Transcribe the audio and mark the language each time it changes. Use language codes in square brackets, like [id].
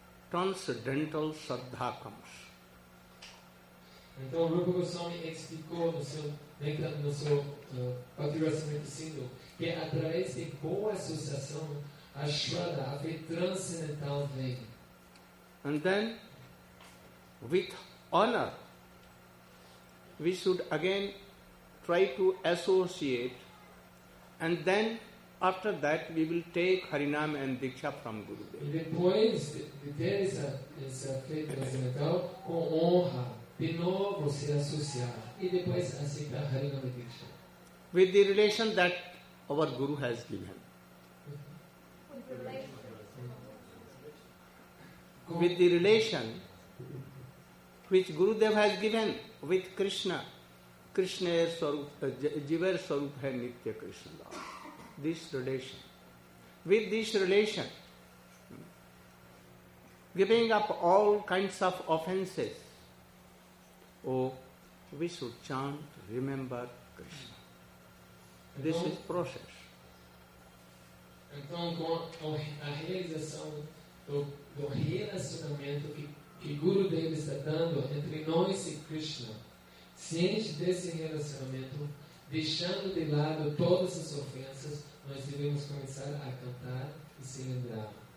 [en] Transcendental Shraddha comes. [pt] Então, Rupa Goswami explicou no seu Bhakti Rasamrita Sindhu que através de boa associação a Shraddha, a fé transcendental vem. [en] And then, with honor, we should again try to associate and then After that, we will take Harinam and Diksha from Gurudev. [pt] E depois de ter essa feita mental, com honra, de novo se associar. E depois aceitar Harinam e Diksha. [en] With the relation that our Guru has given. With the relation which Gurudev has given with Krishna. Krishna is Swarup, [bn] Jivar Swarup hai Nitya Krishna Lord. [en] This relation. With this relation, giving up all kinds of offenses, oh, we should chant, remember Krishna. This is process. [pt] Então, com a realização do relacionamento que Gurudev está dando entre nós e Krishna, ciente desse relacionamento, deixando de lado todas as ofensas, nós devemos começar a cantar e se lembrar.